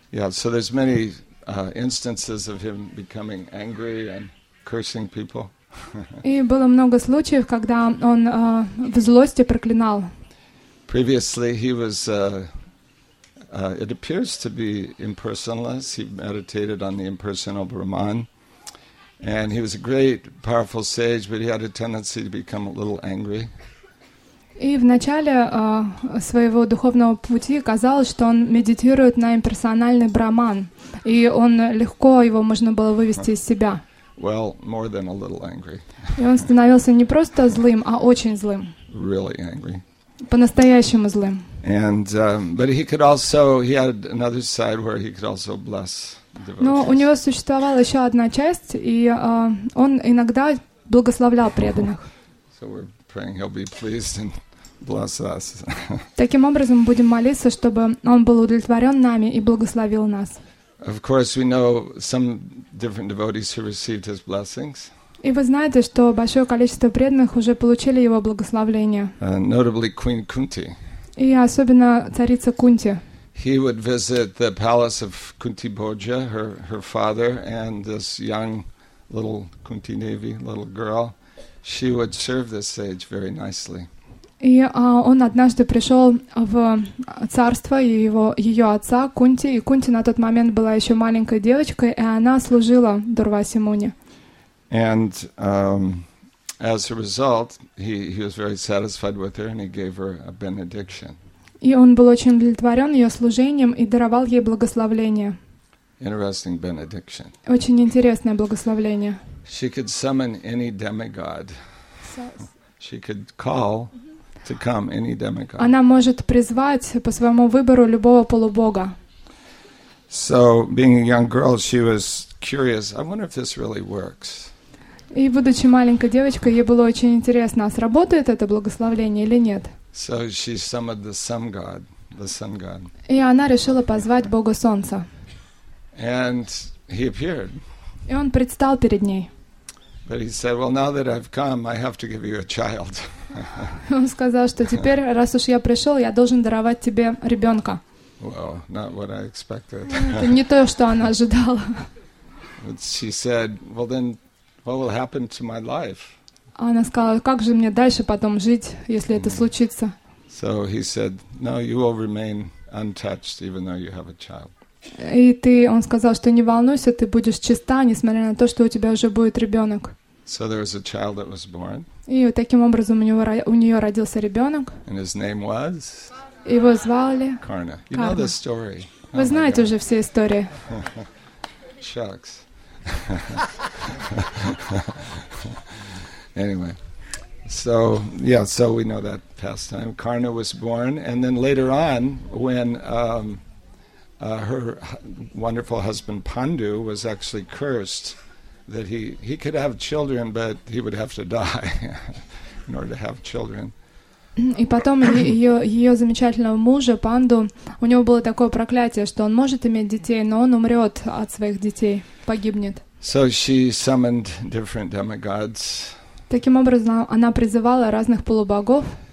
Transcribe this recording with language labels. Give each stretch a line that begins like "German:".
English: So there's many instances of him becoming angry and cursing people.
Russian: И было много случаев, когда он в злости проклинал.
English: Previously he was, it appears to be impersonless. He meditated on the impersonal Brahman. And he was a great, powerful sage, but he had a tendency to become a little angry.
Russian: И в начале своего духовного пути казалось, что он медитирует на имперсональный Брахман. И он легко, его можно было вывести из себя.
English: Well, more than a little angry.
Russian: И он становился не просто злым, а очень злым.
English: Really angry.
Russian: По-настоящему злым.
English: And but he could also, he had another side where he could also bless devotees.
Russian: Но у него существовала еще одна часть, и он иногда благословлял преданных.
English: So we're praying he'll be pleased and bless us.
Russian: Таким образом, будем молиться, чтобы он был удовлетворен нами и благословил нас.
English: Of course, we know some different devotees who received his blessings.
Russian: И вы знаете, что большое количество преданных уже получили его благословение.
English: Notably Queen Kunti.
Russian: И особенно царица Кунти.
English: He would visit the palace of Kunti Bhoja, her father, and this young little Kunti Devi, little girl. She would serve this sage very nicely.
Russian: И он однажды пришел в царство ее отца Кунти, и Кунти на тот момент была еще маленькой девочкой, и она служила Дурвасе Муни.
English: And as a result, he was very satisfied with her, and he gave her a benediction.
Russian: И он был очень удовлетворен ее служением и даровал ей благословение.
English: Interesting benediction.
Russian: Очень интересное благословение.
English: She could summon any demigod. She could call to come any demigod.
Russian: Она может призвать по своему выбору любого полубога.
English: So, being a young girl, she was curious. I wonder if this really works.
Russian: И будучи маленькой девочкой, ей было очень интересно, а сработает это благословение или нет.
English: So she summoned the sun god, the sun god.
Russian: И она решила позвать Бога Солнца.
English: And he appeared.
Russian: И он предстал перед ней.
English: But he said, "Well, now that I've come, I have to give you a child."
Russian: Он сказал, что теперь, раз уж я пришел, я должен даровать тебе ребенка.
English: Well, not what I expected.
Russian: Это не то, что она ожидала.
English: But she said, "Well, then, what will happen to my life?"
Russian: Она сказала, как же мне дальше потом жить, если это случится?
English: So he said, "No, you will remain untouched, even though you have a child."
Russian: И ты, он сказал, что не волнуйся, ты будешь чиста, несмотря на то, что у тебя уже будет ребенок.
English: So there was a child that was born.
Russian: И таким образом у нее родился ребенок.
English: And his name was?
Russian: Его звали
English: Карна. You know the story.
Russian: Вы знаете уже все истории.
English: Shucks. Anyway. So, yeah, so we know that past time. Karna was born, and then later on, when her wonderful husband Pandu was actually cursed, that he could have children, but he would have to die in order to have children.
Russian: И потом ее замечательного мужа Панду, у него было такое проклятие, что он может иметь детей, но он умрет от своих детей, погибнет.
English: So she summoned different demigods.
Russian: Таким образом, она призывала разных полубогов.